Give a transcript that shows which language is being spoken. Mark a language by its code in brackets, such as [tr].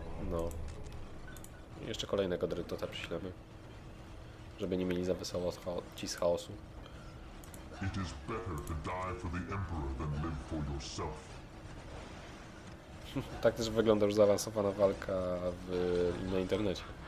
[pl] No. Jeszcze kolejnego dreadnoughta przyślemy. Żeby nie mieli za wesoło ci z chaosu. [en] It is better to die for the Emperor than live for yourself. [pl] Tak też wygląda już zaawansowana walka na internecie.